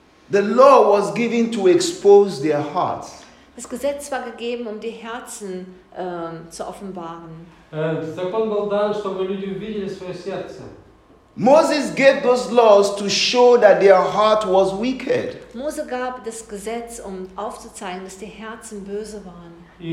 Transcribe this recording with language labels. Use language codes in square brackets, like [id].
[en] The law was given to expose their hearts. [de] Das Gesetz war gegeben, um die Herzen zu offenbaren. [ru] Закон был дан, чтобы люди увидели свое сердце. [en] Moses gave those laws to show that their heart was wicked. [de] Mose gab das Gesetz, um aufzuzeigen, dass die Herzen böse waren.